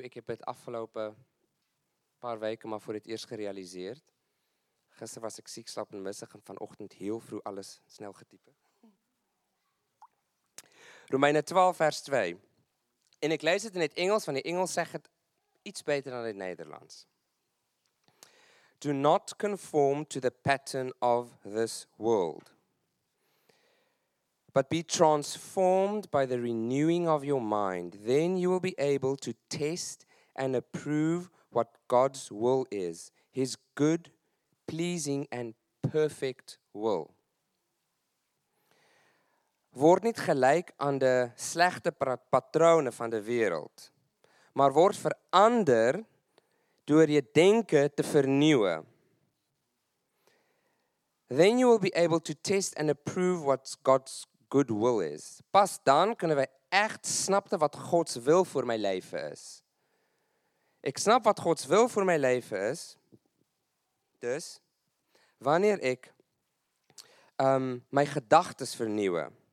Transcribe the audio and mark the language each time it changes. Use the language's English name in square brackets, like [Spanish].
[Dutch] Ik heb het afgelopen paar weken maar voor het eerst gerealiseerd. Gisteren was ik ziek, slap en missig en vanochtend heel vroeg alles snel getypen. Romeinen 12 vers 2. En ik lees het in het Engels, want in het Engels zegt het iets beter dan in het Nederlands. [English] Do not conform to the pattern of this world. But be transformed by the renewing of your mind. Then you will be able to test and approve what God's will is. His good, pleasing and perfect will. [Dutch] Word niet gelijk aan de slechte patronen van de wereld. Maar word veranderd door je denken te vernieuwen. [English] Then you will be able to test and approve what God's good will is. [Dutch] Pas dan kunnen wij echt snappen wat Gods wil voor mijn leven is. Ik snap wat Gods wil voor mijn leven is. Dus, wanneer ik mijn gedachten vernieuw.